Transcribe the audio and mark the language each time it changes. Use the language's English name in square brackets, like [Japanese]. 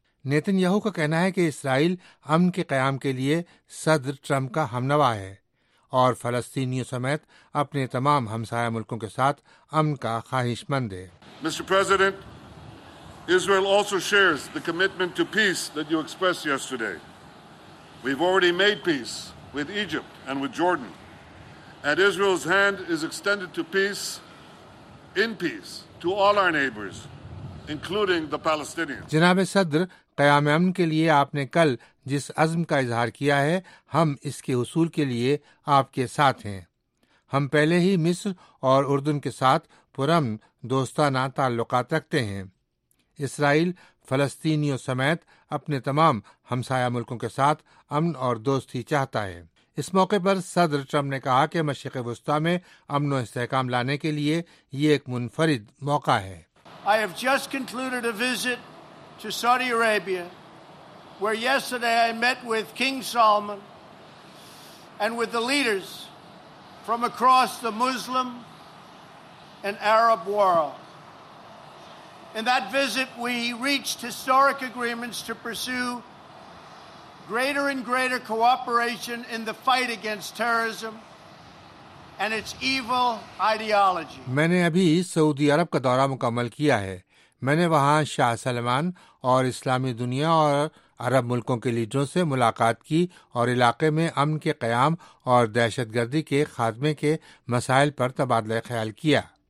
[Urdu] Nitin Yahoo کا کہنا ہے کہ اسرائیل امن کے قیام کے لیے صدر ٹرمپ کا ہمنوا ہے اور فلسطینیوں سمیت اپنے تمام ہمسایہ ملکوں کے ساتھ امن کا خواہش مند ہے۔ [English] Mister President, Israel also shares the commitment to peace that you express yesterday. We have already made peace with Egypt and with Jordan, and Israel's hand is extended to peace in peace to all our neighbors, including the Palestinians. [Urdu] جناب صدر، قیام امن کے لیے آپ نے کل جس عزم کا اظہار کیا ہے، ہم اس کے حصول کے لیے آپ کے ساتھ ہیں۔ ہم پہلے ہی مصر اور اردن کے ساتھ پرامن دوستانہ تعلقات رکھتے ہیں۔ اسرائیل فلسطینیوں سمیت اپنے تمام ہمسایہ ملکوں کے ساتھ امن اور دوستی چاہتا ہے۔ اس موقع پر صدر ٹرمپ نے کہا کہ مشرق وسطی میں امن و استحکام لانے کے لیے یہ ایک منفرد موقع ہے۔ [English] I have just concluded a visit to Saudi Arabia, where yesterday I met with King Salman and with the leaders from across the Muslim and Arab world. In that visit, we reached historic agreements to pursue greater and greater cooperation in the fight against terrorism and its evil ideology. [Urdu] میں نے ابھی سعودی عرب کا دورہ مکمل کیا ہے۔ میں نے وہاں شاہ سلمان اور اسلامی دنیا اور عرب ملکوں کے لیڈروں سے ملاقات کی اور علاقے میں امن کے قیام اور دہشت گردی کے خاتمے کے مسائل پر تبادلہ خیال کیا۔